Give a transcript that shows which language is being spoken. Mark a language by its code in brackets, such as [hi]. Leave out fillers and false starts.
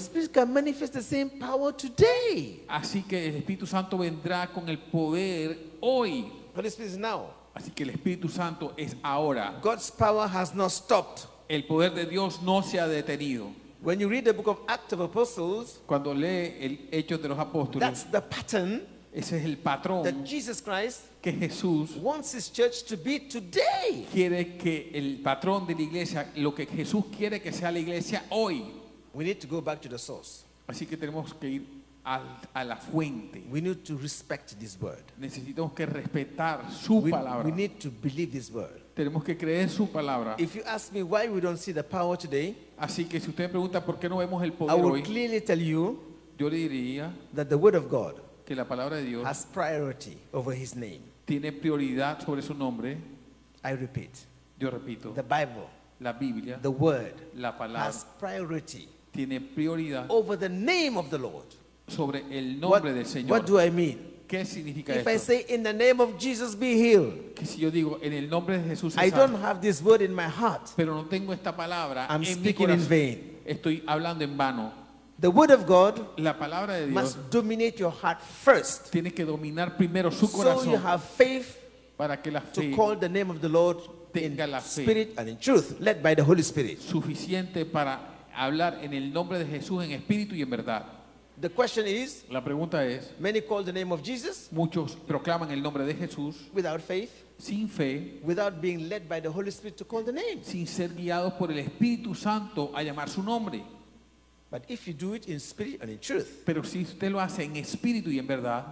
[en] Holy Spirit can manifest the same power today. [es] Así que el Espíritu Santo vendrá con el poder hoy. [en] Holy Spirit is now. [es] Así que el Espíritu Santo es ahora. [en] God's power has not stopped. [es] El poder de Dios no se ha detenido. [en] When you read the book of Acts of Apostles, [es] cuando lee el Hechos de los Apóstoles, [en] that's the pattern. [es] Ese es el patrón [en] that Jesus Christ [es] que Jesús [en] wants His church to be today. [es] Quiere que el patrón de la iglesia, lo que Jesús quiere que sea la iglesia hoy. [en] We need to go back to the source. [es] Así que tenemos que ir a la fuente. [en] We need to respect this word. [es] Necesitamos que respetar su palabra. [en] We need to believe this word. [es] Tenemos que creer su palabra. [en] If you ask me why we don't see the power today, [es] así que si usted me pregunta por qué no vemos el poder hoy, [en] I will [es] hoy, [en] clearly tell you, [es] yo le diría [en] that the word of God, [es] que la palabra de Dios, [en] has priority over His name. [es] Tiene prioridad sobre su nombre. [en] I repeat. [es] Yo repito. [en] The Bible, [es] la Biblia, [en] the word, [es] la palabra, [en] has priority, [es] tiene prioridad [en] over the name of the Lord. [es] Sobre el nombre del Señor. [en] What do I mean? [es] ¿Qué significa [en] if [es] esto? [en] I say in the name of Jesus be healed, [es] que si yo digo en el nombre de Jesús, [en] I don't have this word in my heart, [es] pero no tengo esta palabra, [en] I'm [es] en [en] speaking [es] mi corazón, [en] in vain. [es] Estoy hablando en vano. [en] The word of God, [es] la palabra de Dios, [en] must dominate your heart first, [es] tiene que dominar primero su corazón, [en] so you have faith, [es] para que la fe [en] to call the name of the Lord in spirit and in truth, led by the Holy Spirit. [es] Suficiente para hablar en el nombre de Jesús en espíritu y en verdad. [en] The question is, [es] la pregunta es, [en] many call the name of Jesus, [es] muchos proclaman el nombre de Jesús, [en] without faith, [es] sin fe, [en] without being led by the Holy Spirit to call the name, [es] sin ser guiados por el Espíritu Santo a llamar su nombre. [en] But if you do it in spirit and in truth, [es] pero si usted lo hace en espíritu y en verdad,